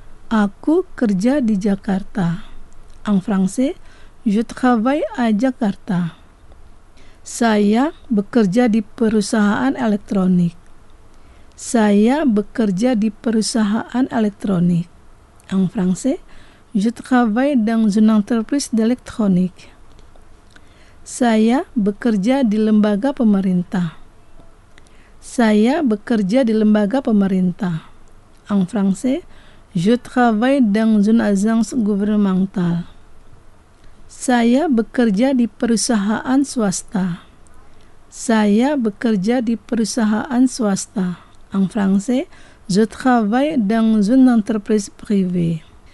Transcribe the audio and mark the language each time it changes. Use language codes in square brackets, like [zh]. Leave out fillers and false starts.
[id] Aku kerja di Jakarta. [fr] En français, je travaille à Jakarta. [id] Saya bekerja di perusahaan elektronik. Saya bekerja di perusahaan elektronik. [fr] En français, je travaille dans une entreprise d'électronique. [id] Saya bekerja di lembaga pemerintah. Saya bekerja di lembaga pemerintah. [fr] En français, je travaille dans une agence gouvernementale. [id] Saya bekerja di perusahaan swasta. Saya bekerja di perusahaan swasta. [fr] En français, je travaille dans une entreprise privée.